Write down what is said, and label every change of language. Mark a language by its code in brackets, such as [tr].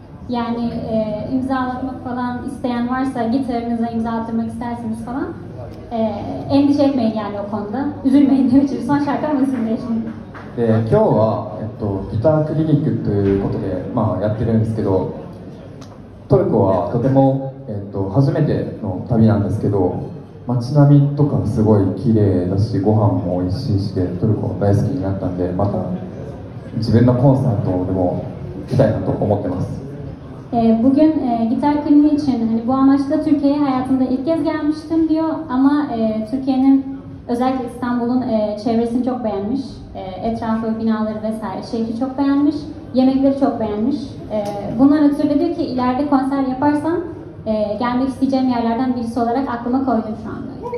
[tr] yani、imzalatmak falan isteyen varsa、gitarınıza imza attırmak isterseniz falan。 endişe etmeyin yani o konuda. Üzülmeyin demek için. Son şarkı sizinle şimdi. Bugün gitar klinik [ja] ということで、まあ、やってるんですけど、トルコはとても初めての旅なんですけど、街並みとかすごい綺麗だし、ご飯も美味しいし、トルコ大好きになったんで、また自分のコンサートでも行きたいなと思ってます。 [tr] Bugün gitar kliniği için hani bu amaçla Türkiye'ye hayatımda ilk kez gelmiştim diyor ama Türkiye'nin özellikle İstanbul'un çevresini çok beğenmiş, etrafı, binaları vesaire şehri çok beğenmiş, yemekleri çok beğenmiş. Bunlar ötürü diyor ki ileride konser yaparsam gelmek isteyeceğim yerlerden birisi olarak aklıma koydum şu anda.